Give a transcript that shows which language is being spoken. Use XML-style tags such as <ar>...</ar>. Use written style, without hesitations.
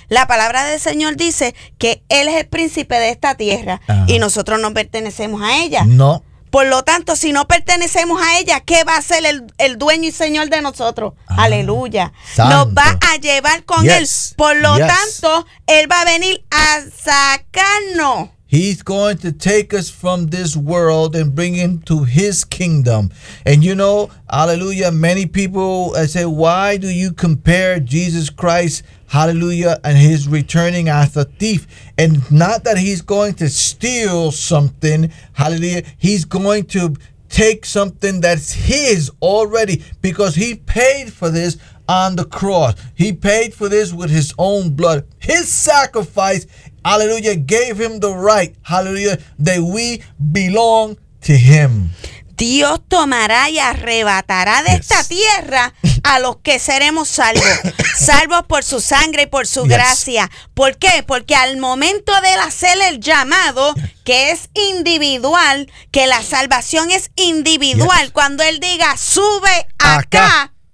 <es>La palabra del Señor dice que Él es el príncipe de esta tierra. Y nosotros no pertenecemos a ella. No. Por lo tanto, si no pertenecemos a ella, ¿qué va a hacer el dueño y señor de nosotros? Aleluya. Santo. Nos va a llevar con él. Por lo tanto, él va a venir a sacarnos.</es> <en>He's going to take us from this world and bring him to his kingdom. And you know, aleluya, many people say, why do you compare Jesus Christ, hallelujah, and his returning as a thief? And not that he's going to steal something, hallelujah, he's going to take something that's his already, because he paid for this on the cross. He paid for this with his own blood. His sacrifice, hallelujah, gave him the right, hallelujah, that we belong to him.</en> <es>Dios tomará y arrebatará de esta tierra a los que seremos salvos. Salvos por su sangre y por su gracia. ¿Por qué? Porque al momento de él hacer el llamado, que es individual, que la salvación es individual, cuando él diga, sube acá.</es>